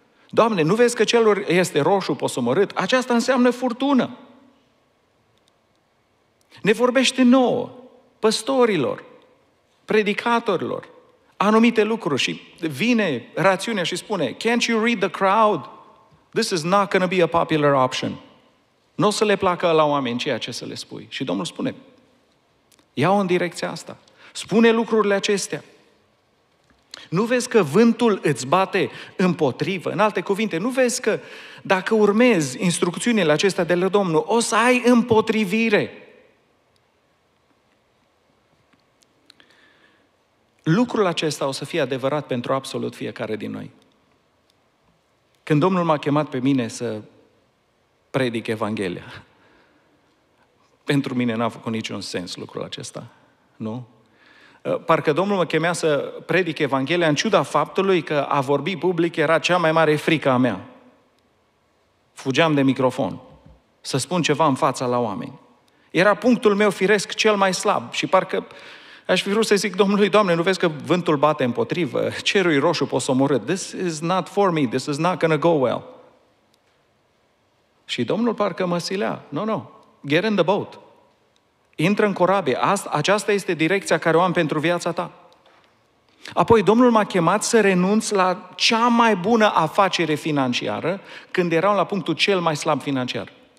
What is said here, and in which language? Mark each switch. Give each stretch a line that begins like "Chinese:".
Romanian: Doamne, nu vezi că celor este roșu posomorât? Aceasta înseamnă furtună. Ne vorbește nouă, păstorilor, predicatorilor, anumite lucruri și vine rațiunea și spune,
English: can't you read the crowd? This is not going to be a popular option.
Romanian: N-o să le placă la oameni ceea ce să le spui. Și Domnul spune, ia-o în direcția asta. Spune lucrurile acestea. Nu vezi că vântul îți bate împotrivă? În alte cuvinte, nu vezi că dacă urmezi instrucțiunile acestea de la Domnul, o să ai împotrivire? Lucrul acesta o să fie adevărat pentru absolut fiecare din noi. Când Domnul m-a chemat pe mine să predic Evanghelia, pentru mine n-a făcut niciun sens lucrul acesta, nu? Parcă Domnul mă chemea să predic Evanghelia în ciuda faptului că a vorbi public era cea mai mare frică a mea. Fugeam de microfon să spun ceva în fața la oameni. Era punctul meu firesc cel mai slab și parcă aș fi vrut să zic Domnului, Doamne, nu vezi că vântul bate împotrivă, cerul roșu, pot să omorât.
English: This is not for me, this is not gonna go well.
Romanian: Și Domnul parcă mă silea.
English: No, no, get in the boat.
Romanian: Intră în corabie. Aceasta este direcția care o am pentru viața ta. Apoi Domnul m-a chemat să renunț la cea mai bună afacere financiară când eram la punctul cel mai slab financiar.